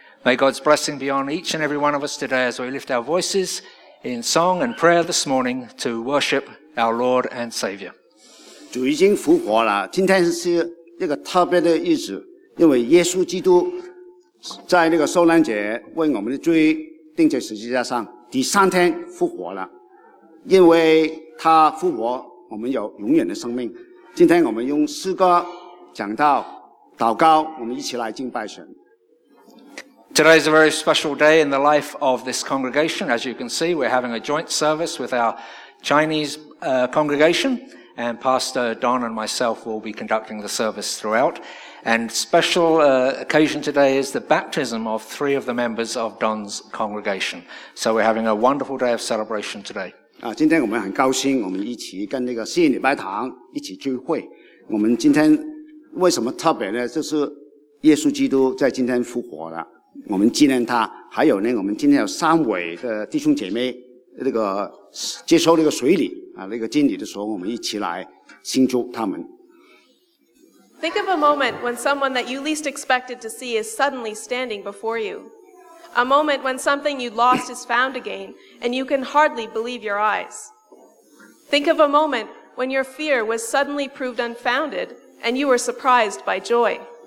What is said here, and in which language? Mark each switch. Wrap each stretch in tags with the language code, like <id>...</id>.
<en>May God's blessing be on each and every one of us today as we lift our voices in song and prayer this morning to worship our Lord and Savior.</en> <zh>主已经复活了，今天是一个特别的日子，因为耶稣基督在那个受难节为我们的罪钉在十字架上，第三天复活了。因为他复活，我们有永远的生命。今天我们用诗歌讲到祷告，我们一起来敬拜神。</zh> <en>Today is a very special day in the life of this congregation. As you can see, we're having a joint service with our Chinese, congregation, and Pastor Don and myself will be conducting the service throughout. And special, occasion today is the baptism of three of the members of Don's congregation. So we're having a wonderful day of celebration today.</en> <zh>今天我们很高兴我们一起跟那个西礼拜堂一起聚会。我们今天为什么特别呢？就是耶稣基督在今天复活了。我们纪念他，还有呢，我们今天有三位的弟兄姐妹，那个接受那个水礼啊，那个敬礼的时候，我们一起来庆祝他们。</zh> <en>Think of a moment when someone that you least expected to see is suddenly standing before you. A moment when something you lost is found again, and you can hardly believe your eyes. Think of a moment when your fear was suddenly proved unfounded, and you were surprised by joy.</en>